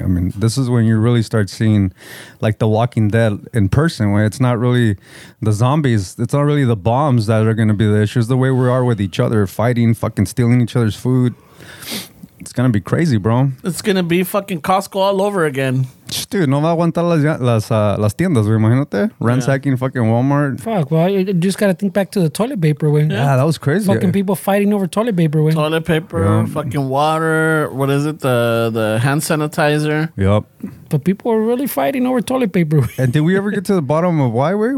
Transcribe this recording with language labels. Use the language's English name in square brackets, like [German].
[English] I mean, this is when you really start seeing, like, The Walking Dead in person. Way, it's not really the zombies. It's not really the bombs that are going to be the issues. The way we are with each other, fighting, fucking stealing each other's food. It's going to be crazy, bro. It's going to be fucking Costco all over again. Dude, [Spanish] no va a aguantar las tiendas, güey. Imagínate. [English] Ransacking fucking Walmart. Fuck, well, you just gotta think back to the toilet paper, güey. Yeah, that was crazy. Fucking people fighting over toilet paper, güey. Toilet paper, fucking water. What is it? The hand sanitizer. Yep. But people were really fighting over toilet paper. And did we ever get to the bottom of why, güey?